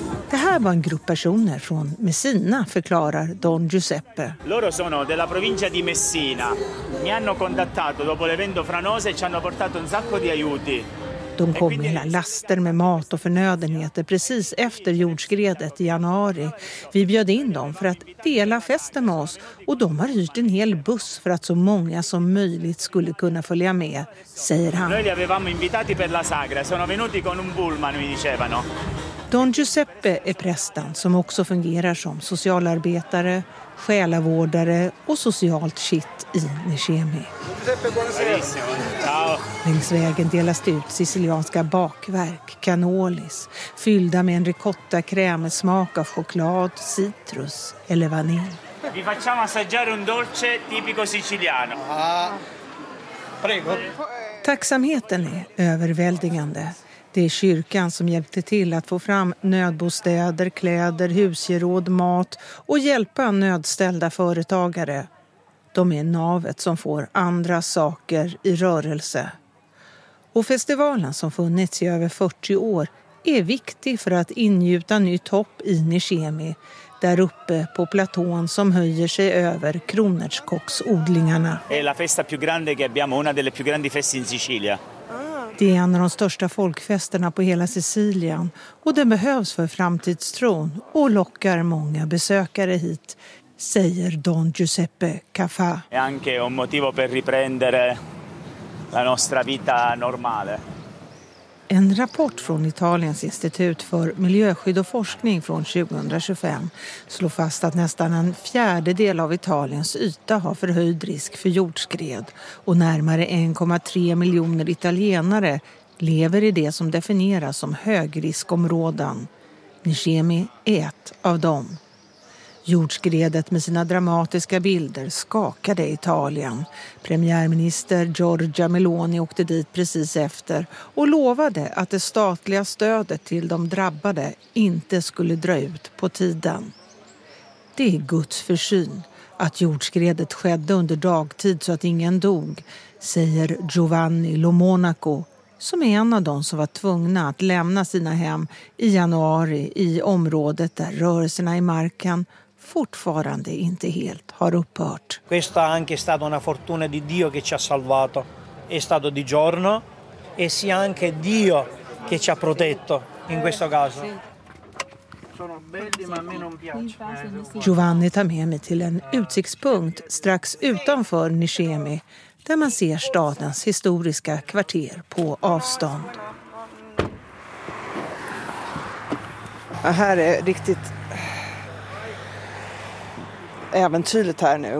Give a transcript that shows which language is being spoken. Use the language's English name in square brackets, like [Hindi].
[Swedish] Det här var en grupp personer från Messina, förklarar Don Giuseppe. [Italian] Loro sono della provincia di Messina. Mi hanno contattato dopo l'evento franose e ci hanno portato un sacco di aiuti. [Swedish] De kom med hela laster med mat och förnödenheter precis efter jordskredet i januari. Vi bjöd in dem för att dela festen med oss och de har hyrt en hel buss för att så många som möjligt skulle kunna följa med, säger han. [Italian] Noi li avevamo invitati per la sagra, sono venuti con un pullman, mi dicevano. [Swedish] Don Giuseppe är prästen som också fungerar som socialarbetare, själavårdare och socialt kitt i Niemi. Längs vägen delas det ut sicilianska bakverk, cannolis, fyllda med en ricotta kräm med smak av choklad, citrus eller vanilj. [Italian] Vi facciamo assaggiare un dolce tipico siciliano. Prego. [Swedish] Tacksamheten är överväldigande. Det är kyrkan som hjälpte till att få fram nödbostäder, kläder, husgeråd, mat och hjälpa nödställda företagare. De är navet som får andra saker i rörelse. Och festivalen som funnits i över 40 år är viktig för att ingjuta ny topp i Niemi, där uppe på platån som höjer sig över kronärtskocksodlingarna. Det är [Italian] la festa più grande che abbiamo, una delle più grandi feste in Sicilia. [Swedish] Det är en av de största folkfesterna på hela Sicilien och den behövs för framtidstron och lockar många besökare hit, säger Don Giuseppe Caffà. [Italian] È anche un motivo per riprendere la nostra vita normale. [Swedish] En rapport från Italiens institut för miljöskydd och forskning från 2025 slår fast att nästan en fjärdedel av Italiens yta har förhöjd risk för jordskred. Och närmare 1,3 miljoner italienare lever i det som definieras som högriskområden. Niemi är ett av dem. Jordskredet med sina dramatiska bilder skakade Italien. Premiärminister Giorgia Meloni åkte dit precis efter och lovade att det statliga stödet till de drabbade inte skulle dra ut på tiden. Det är Guds försyn att jordskredet skedde under dagtid så att ingen dog, säger Giovanni Lomonaco, som är en av de som var tvungna att lämna sina hem i januari i området där rörelserna i marken fortfarande inte helt har upphört. [Italian] Questa anche è stata una fortuna di Dio che ci ha salvato. È stato di giorno e sia anche Dio che ci ha protetto in questo caso. Sono belli ma a me non piace. [Swedish] Giovanni tar med mig till en utsiktspunkt strax utanför Niemi där man ser stadens historiska kvarter på avstånd. Ja, här är riktigt äventyrligt här nu.